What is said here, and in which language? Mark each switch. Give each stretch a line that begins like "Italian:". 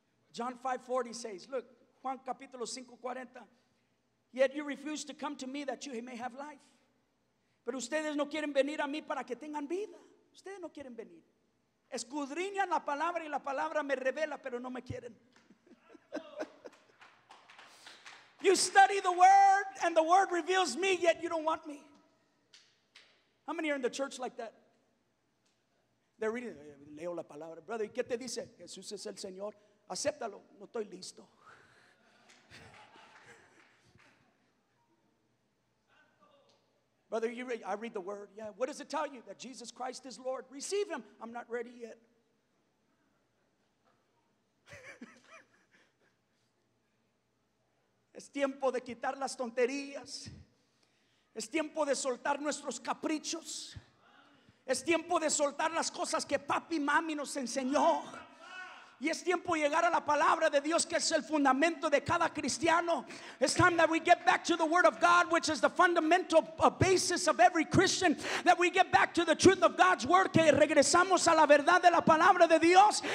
English: John 5:40 says, look,
Spanish: Juan capítulo 5:40,
English: yet you refuse to come to me that you may have life.
Spanish: Pero ustedes no quieren venir a mí para que tengan vida. Ustedes no quieren venir. Escudriñan la palabra y la palabra me revela, pero no me quieren.
English: You study the word and the word reveals me, yet you don't want me. How many are in the church like that? They're reading,
Spanish: leo la palabra. Brother, ¿qué te dice? Jesús es el Señor. Acéptalo, no estoy listo.
English: Brother, I read the word. Yeah, what does it tell you? That Jesus Christ is Lord. Receive him. I'm not ready yet.
Spanish: Es tiempo de quitar las tonterías. Es tiempo de soltar nuestros caprichos. Es tiempo de soltar las cosas que papi y mami nos enseñó. Y es tiempo de llegar a la palabra de Dios, que es el fundamento de cada cristiano.
English: It's time that we get back to the word of God, which is the fundamental basis of every Christian. That we get back to the truth of God's word.
Spanish: Que regresamos a la verdad de la palabra de Dios.